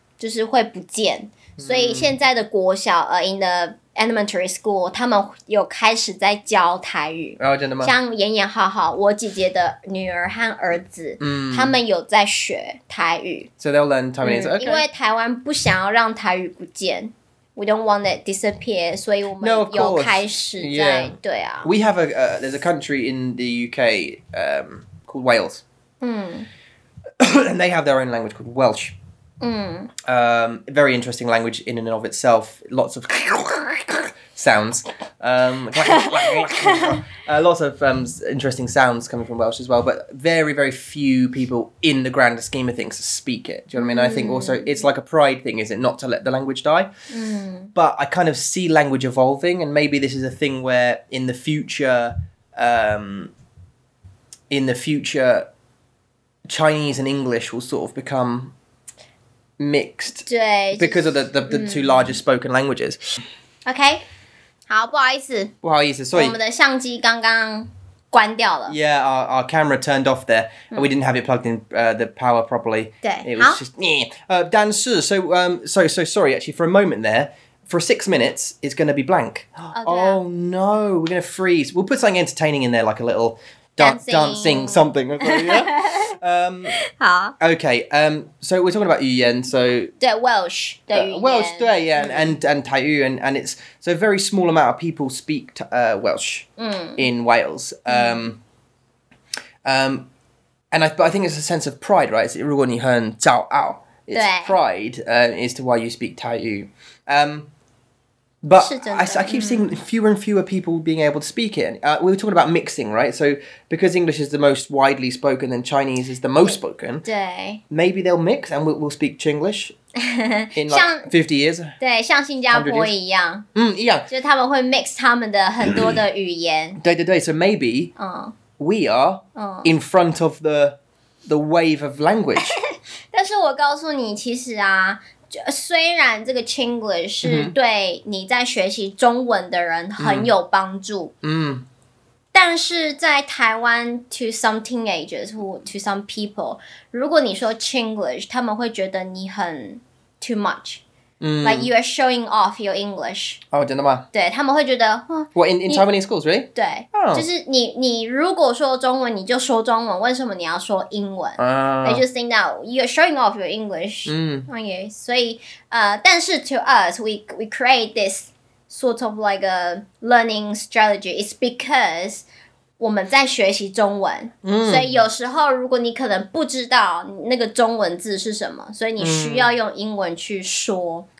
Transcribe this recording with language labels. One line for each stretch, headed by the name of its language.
Chinese: 就是会不见。所以现在的国小
English: in the elementary school,
Chinese: 他们有开始在教台语。哦，真的吗？像妍妍浩浩，我姐姐的女儿和儿子，他们有在学台语。
English: So they'll learn Taiwanese. Okay.
Chinese: 因为台湾不想要让台语不见。
English: We don't want it disappear,
Chinese: 所以我们有开始在 对啊。
English: We have there's a country in the UK called Wales. And they have their own language called Welsh. Very interesting language in and of itself. Lots of sounds. lots of interesting sounds coming from Welsh as well, but very, very few people in the grander scheme of things speak it. Do you know what I mean? I think also it's like a pride thing, is it, not to let the language die? But I kind of see language evolving, and maybe this is a thing where in the future, Chinese and English will sort of become mixed because of the two largest spoken languages.
Chinese: Okay. 好，不好意思。不好意思，所以我们的相机刚刚关掉了。
English: Yeah, our camera turned off there. And we didn't have it plugged in the power properly.
Chinese: 对，好。但是
English: so sorry, actually, for a moment there, for 6 minutes, it's going to be blank. Oh, no, we're going to freeze. We'll put something entertaining in there, like a little dancing something. Okay, so we're talking about 语言, so... 对, Welsh 的语言。 Welsh, 对, yeah, and 台语, and it's... So a very small amount of people speak Welsh in Wales. But I think it's a sense of pride, right? It's
Chinese: 如果你很骄傲,
English: it's pride as to why you speak 台语. But I keep seeing fewer and fewer people being able to speak it. We were talking about mixing, right? So because English is the most widely spoken and Chinese is the most spoken, maybe they'll mix and we'll speak Chinglish in like 50 years.
Chinese: 对，像新加坡一样。一样。就他们会 mix 他们的很多的语言。
English: 对对对，so maybe we are in front of the wave of language. 但是我告诉你，其实啊，虽然这个 Chinglish 是对你在学习中文的人很有帮助，但是在台湾 to some teenagers who to some people, 如果你说 Chinglish, 他们会觉得你很 too much, like you are showing off your English.
Chinese: 哦，真的吗？对，他们会觉得，
English: in Taiwanese schools, really?
Chinese: 对，就是你如果说中文，你就说中文，为什么你要说英文？
English: They just think that you are showing off your English. Okay,
Chinese: 所以但是
English: to us, we create this sort of like a learning strategy.
Chinese: It's because 我们在学习中文，所以有时候如果你可能不知道那个中文字是什么，所以你需要用英文去说。